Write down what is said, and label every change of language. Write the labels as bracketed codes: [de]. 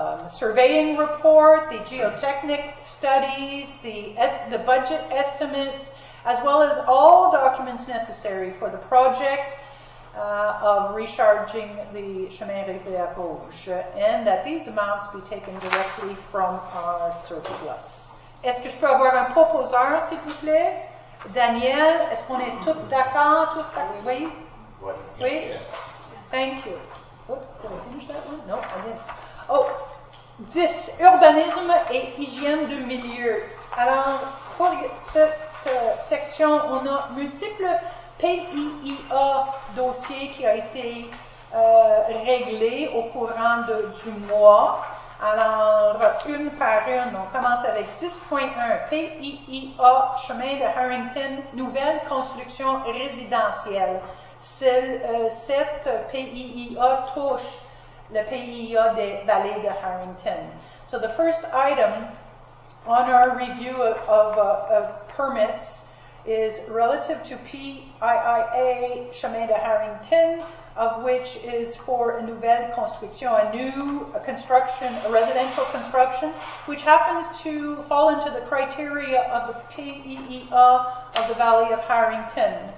[en] surveying report, the geotechnic studies, the budget estimates, as well as all documents necessary for the project of recharging the Chemin Rivière Rouge, and that these amounts be taken directly from our surplus. [fr] Est-ce que je peux avoir un proposeur, s'il vous plaît? Daniel, est-ce qu'on est tous d'accord? Tout d'accord? Oui? Oui. Oui? [en] Yes. Thank you. Oops, did I finish that one? No, I didn't. Oh, 10, [fr] urbanisme et hygiène de milieu. Alors, pour cette section, on a multiples PIIA dossiers qui ont été réglés au courant du mois. Alors, une par une, on commence avec 10.1, PIIA, chemin de Harrington, nouvelle construction résidentielle. Cette PIIA touche le PIIA des vallées de Harrington. [en] So the first item on our review of permits is relative to PIIA Chemin de Harrington, of which is for a nouvelle construction, a new construction, a residential construction, which happens to fall into the criteria of the PIIA of the Valley of Harrington.